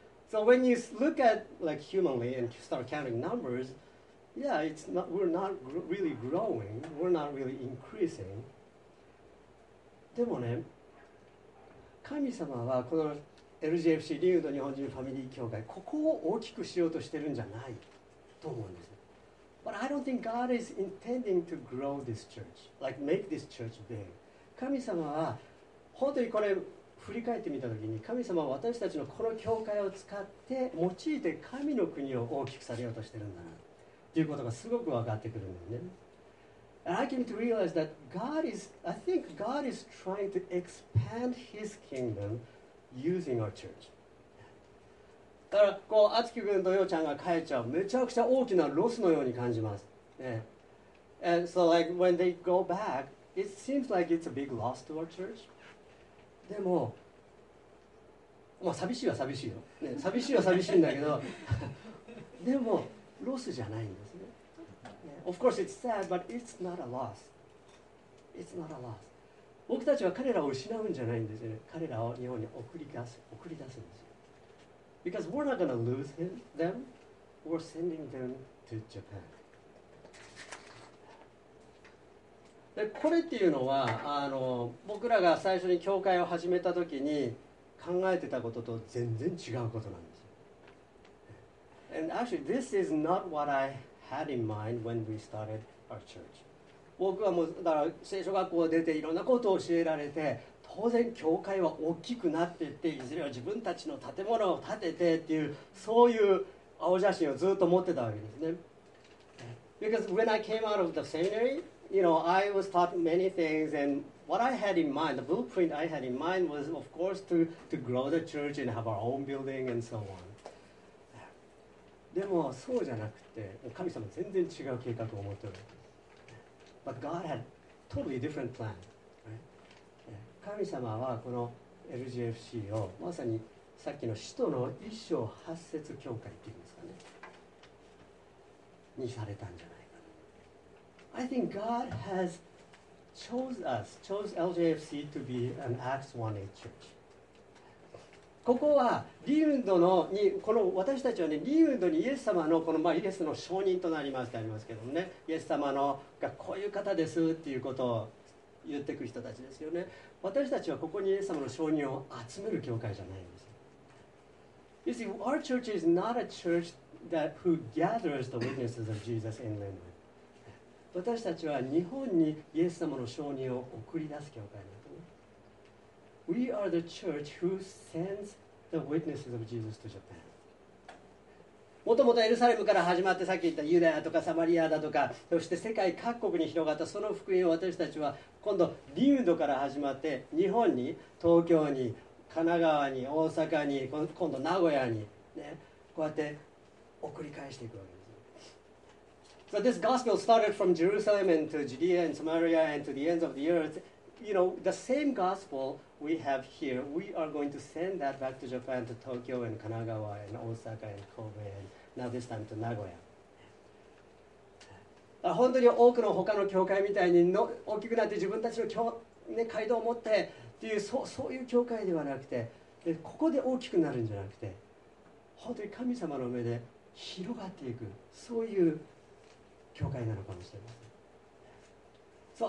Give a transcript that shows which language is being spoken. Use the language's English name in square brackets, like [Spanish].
[English] So when you look at like humanly and start counting numbers, yeah, it's not, we're not really growing, we're not really increasing. [Japanese] でもね、神様はこの LGFC、リウド日本人ファミリー教会、ここを大きくしようとしてるんじゃないと思うんです。 [English] But I don't think God is intending to grow this church, like make this church big. [Japanese] 神様は本当にこれ振り返ってみたときに、神様は私たちのこの教会を使って用いて神の国を大きくされようとしてるんだなということがすごく分かってくるんだよね。 [English] And I came to realize that God is, I think God is trying to expand His kingdom using our church. [Japanese] だからこう、あつき君とようちゃんが帰っちゃう、めちゃくちゃ大きなロスのように感じます。 [English] ね、And so like when they go back, it seems like it's a big loss to our church. [Japanese] でも、まあ寂しいは寂しいよ。ね、寂しいは寂しいんだけど、でもロスじゃないんですね。 [English] Of course, it's sad, but it's not a loss. It's not a loss. [Japanese] 僕たちは彼らを失うんじゃないんですよね。彼らを日本に送り出すんですよ。 [English] Because we're not going to lose him, them. We're sending them to Japan. [Japanese] でこれっていうのは僕らが最初に教会を始めた時に考えてたことと全然違うことなんですよ。 [English] And actually, this is not what I... had in mind when we started our church. [Japanese] 僕はもうだから聖書学校を出ていろんなことを教えられて、当然教会は大きくなっていっていずれは自分たちの建物を建ててっていうそういう青写真をずっと持ってたわけですね。 [English] Because when I came out of the seminary, you know, I was taught many things, and what I had in mind, the blueprint I had in mind was, of course, to grow the church and have our own building and so on. [Japanese] でもそうじゃなくて、神様全然違う計画を持っている。 [English] But God had totally different plan. [Japanese] 神様はこの LGFC をまさにさっきの使徒の一章八節教会っていうんですかね、にされたんじゃないかな。 [English] I think God has chose LGFC to be an Acts 1:8 church. [Japanese] ここはリウンドのにこの私たちは、ね、リウンドにイエス様 の, この、まあ、イエスの証人となりますってありますけどもね、イエス様のがこういう方ですっていうことを言ってく人たちですよね。私たちはここにイエス様の証人を集める教会じゃないんです。 [English] You see, our church is not a church that who gathers the witnesses of Jesus in England. [Japanese] 私たちは日本にイエス様の証人を送り出す教会です。 [English] We are the church who sends the witnesses of Jesus to Japan. [Japanese] もともとエルサレムから始まって、さっき言ったユダヤとかサマリアだとか、そして世界各国に広がったその福音を私たちは今度リウンドから始まって日本に、東京に、神奈川に、大阪に、今度名古屋に、ね、こうやって送り返していくわけです。 [English] So this gospel started from Jerusalem and to Judea and Samaria and to the ends of the earth. You know, the same gospelWe have here, we are going to send that back to Japan, to Tokyo and Kanagawa and Osaka and Kobe and now this time to Nagoya. [Japanese] 本当に多くの他の教会みたいに大きくなって自分たちの教、ね、街道を持ってっていう そういう教会ではなくて、でここで大きくなるんじゃなくて、本当に神様の目で広がっていく、そういう教会なのかもしれません。